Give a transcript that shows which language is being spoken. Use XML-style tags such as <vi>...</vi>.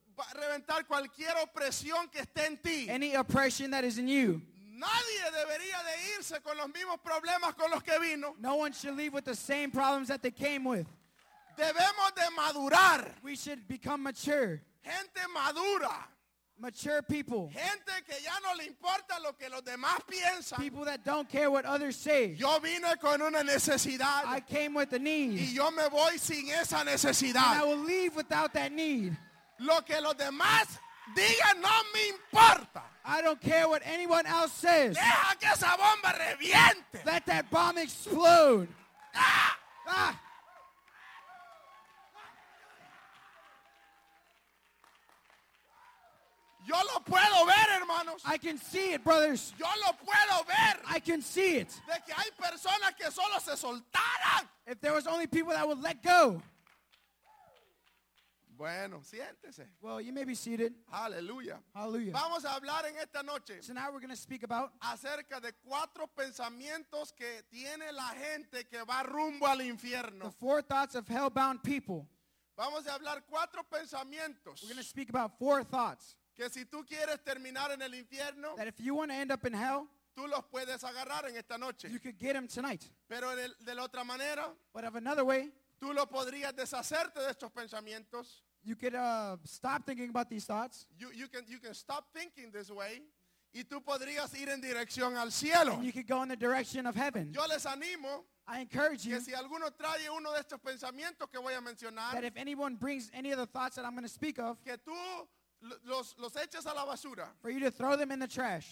<es>Va a reventar cualquier opresión que esté en ti.</es> <en>Any oppression that is in you.</en> <es>Nadie debería de irse con los mismos problemas con los que vino.</es> <en>No one should leave with the same problems that they came with.</en> <es>Debemos de madurar.</es> <en>We should become mature.</en> <es>Gente madura.</es> <en>Mature people.</en> <es>Gente que ya no le importa lo que los demás piensan.</es> <en>People that don't care what others say.</en> <es>Yo vine con una necesidad.</es> <en>I came with a need.</en> <es>Y yo me voy sin esa necesidad.</es> <en>And I will leave without that need.</en> <es>Lo que los demás digan no me importa.</es> <en>I don't care what anyone else says.</en> <es>Deja que esa bomba reviente.</es> <en>Let that bomb explode. Ah! Ah!</en> <es>Yo lo puedo ver, hermanos.</es> <en>I can see it, brothers.</en> <es>Yo lo puedo ver.</es> <en>I can see it.</en> <es>De que hay personas que solo se soltaran.</es> <en>If there was only people that would let go.</en> <es>Bueno, siéntese.</es> <en>Well, you may be seated. Hallelujah. Hallelujah.</en> <es>Vamos a hablar en esta noche.</es> <en>So now we're going to speak about</en> <es>acerca de cuatro pensamientos que tiene la gente que va rumbo al infierno.</es> <en>The four thoughts of hell-bound people.</en> <es>Vamos a hablar cuatro pensamientos.</es> <en>We're going to speak about four thoughts.</en> <es>Que si tú quieres terminar en el infierno,</es> <en>that if you want to end up in hell,</en> <es>tú los puedes agarrar en esta noche.</es> <en>You could get them tonight.</en> <es>Pero de la otra manera,</es> <en>but of another way,</en> <es>tú lo podrías deshacerte de estos pensamientos.</es> <en>You could stop thinking about these thoughts. You can stop thinking this way.</en> <es>Y tú podrías ir en dirección al cielo.</es> <en>And you could go in the direction of heaven.</en> <es>Yo les animo.</es> <en>I encourage you.</en> <es>Que si alguno trae uno de estos pensamientos que voy a mencionar.</es> <en>That if anyone brings any of the thoughts that I'm going to speak of.</en> <es>Que tú los eches a la basura.</es> <en>For you to throw them in the trash.</en>